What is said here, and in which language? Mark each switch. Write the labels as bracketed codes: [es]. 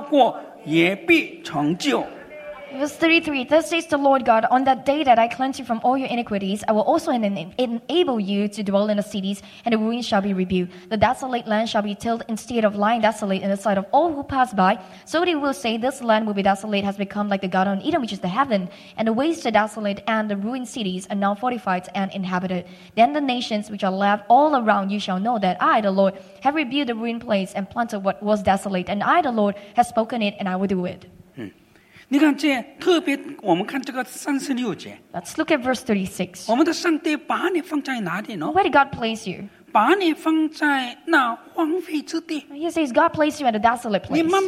[zh] 毁坏的诚意，现在坚固有人居住。第36节，那时在你们视为其余的外邦人必知道，我耶和华嗅着那毁坏之处，那荒废之地，我耶和华说过，也必成就。 [en] Verse 33, thus says the Lord God, on that day that I cleanse you from all your iniquities, I will also enable you to dwell in the cities, and the ruins shall be rebuilt. The desolate land shall be tilled instead of lying desolate in the sight of all who pass by. So they will say, this land will be desolate, has become like the garden of Eden, which is the heaven. And the waste are desolate, and the ruined cities are now fortified and inhabited. Then the nations which are left all around you shall know that I, the Lord, have rebuilt the ruined place and planted what was desolate. And I, the Lord, have spoken it, and I will do it. [zh] 你看这特别，我们看这个36节。 [en] Let's look at verse 36. [zh] 我们的上帝把你放在哪里呢？ [en] Where did God place you? [zh] 把你放在那荒废之地。 [en] He says God placed you at a desolate place.